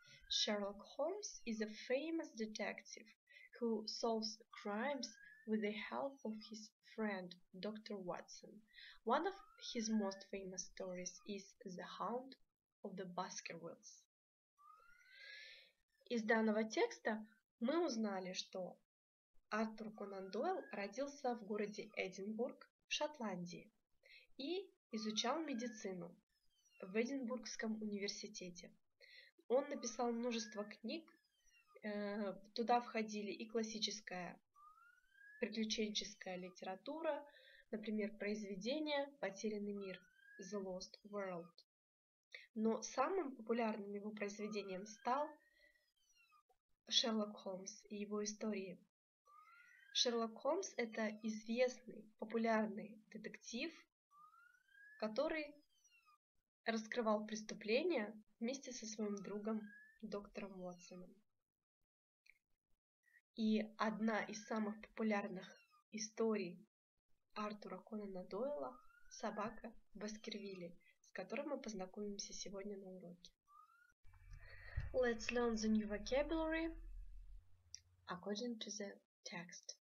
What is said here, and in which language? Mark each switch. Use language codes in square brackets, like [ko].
[en] Sherlock Holmes is a famous detective who solves crimes with the help of his friend, Dr. Watson. One of his most famous stories is The Hound of the Baskervilles. [ru] Из данного текста мы узнали, что Артур Конан Дойл родился в городе Эдинбург в Шотландии и изучал медицину в Эдинбургском университете. Он написал множество книг, туда входили и классическая приключенческая литература, например, произведения «Потерянный мир» [en] «The Lost World». [ru] Но самым популярным его произведением стал Шерлок Холмс и его истории. Шерлок Холмс – это известный, популярный детектив, который раскрывал преступления вместе со своим другом доктором Уотсоном. И одна из самых популярных историй Артура Конана Дойла – «Собака Баскервилли», с которой мы познакомимся сегодня на уроке. [en] Let's learn the new vocabulary according to the text.